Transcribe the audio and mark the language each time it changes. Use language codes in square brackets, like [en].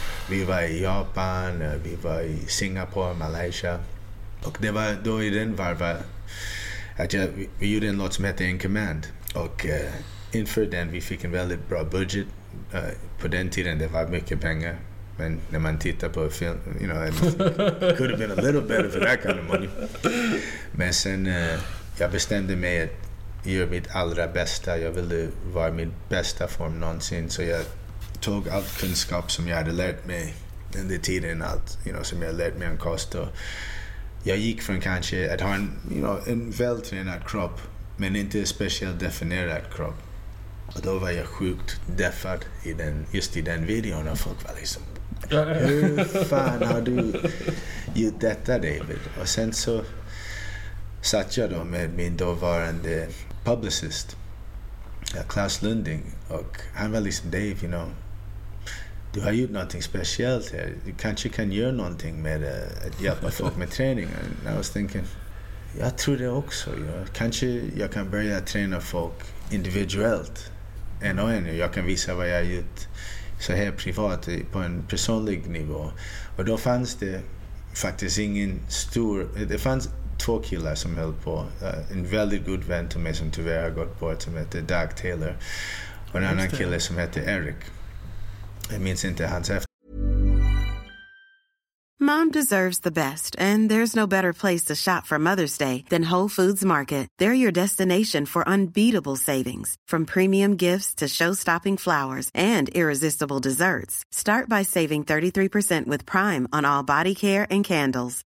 [sv] Vi var i Japan, vi var i Singapore, Malaysia, och det var då i den varva att vi gjorde en låt som hette In Command, och inför den vi fick en väldigt bra budget. På den tiden det var mycket pengar. Men när man tittar på film, [en] you know, it could have been a little better for that kind of money. [sv] Men sen jag bestämde mig att göra mitt allra bästa. Jag ville vara min bästa form någonsin. Så jag tog allt kunskap som jag hade lärt mig under tiden, allt, [en] you know, [sv] som jag hade lärt mig om kost. Och jag gick från kanske att ha en, [en] you know, [sv] en vältränad kropp, men inte en speciellt definierad kropp. Och då var jag sjukt deffad i den, just i den videon, och folk var liksom, hur fan har du gjort detta, David? Och sen så satt jag då med min dåvarande publicist, Klaus Lunding, och han var liksom, Dave, [en] you know, [sv] du har gjort någonting speciellt här, du kanske kan göra någonting med att hjälpa folk med träning. [en] And I was thinking, [sv] jag tror det också, [en] you know? [sv] Kanske jag kan börja träna folk individuellt en och en, jag kan visa vad jag har gjort så här privat på en personlig nivå. Och då fanns det faktiskt ingen stor, det fanns två killar som höll på, en väldigt god vän till mig som tyvärr har gått bort, som heter Doug Taylor, och en annan kille som heter Eric. Jag minns inte hans efter. [en] Mom deserves the best, and there's no better place to shop for Mother's Day than Whole Foods Market. They're your destination for unbeatable savings, from premium gifts to show-stopping flowers and irresistible desserts. Start by saving 33% with Prime on all body care and candles.